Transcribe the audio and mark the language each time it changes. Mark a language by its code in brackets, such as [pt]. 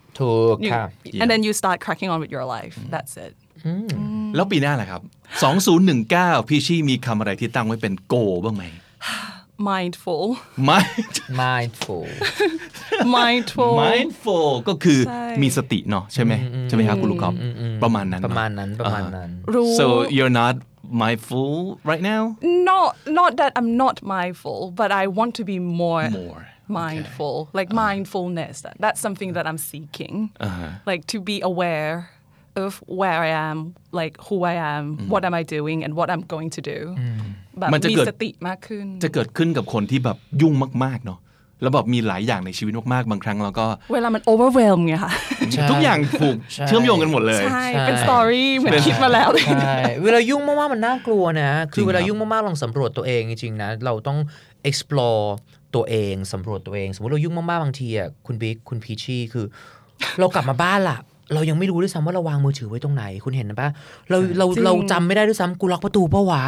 [en] and then you start cracking on with your life. That's it. [th] แล้วปีหน้าล่ะครับ2019พี่ชี่มีคำอะไรที่ตั้งไว้เป็นโกบ้างไหม [en] Mindful. Mindful. Mindful. [th] Mindful ก็คือมีสติเนาะใช่ไหมใช่ไหมครับคุณลูกก๊อฟประมาณนั้น ประมาณนั้น [en] So you're not mindful right now? Not that I'm not mindful, but I want to be more. More. Mindful, okay. like mindfulness. That's something that I'm seeking. Uh-huh. Like to be aware of where I am, like who I am, what am I doing, and what I'm going to do. [th] มันจะเกิด สติมากขึ้น จะเกิดขึ้นกับคนที่แบบยุ่งมากๆเนาะแล้วแบบมีหลายอย่างในชีวิตมากๆบางครั้งเราก็ เวลามัน overwhelm เนี่ยค่ะ ทุกอย่างผูกเชื่อมโยงกันหมดเลย ใช่เป็น story เหมือนคิดมาแล้ว เวลายุ่งมากๆมันน่ากลัวนะคือเวลายุ่งมากๆลองสำรวจตัวเองจริงๆนะเราต้อง exploreตัวเองสำรวจตัวเองสมมติเรายุ่งมากๆบางทีอ่ะคุณบิ๊กคุณพีชี่คือเรากลับมาบ้านล่ะเรายังไม่รู้ด้วยซ้ำว่าเราวางมือถือไว้ตรงไหนคุณเห็นป่ะเราจำไม่ได้ด้วยซ้ำกูล็อกประตูป่าวะ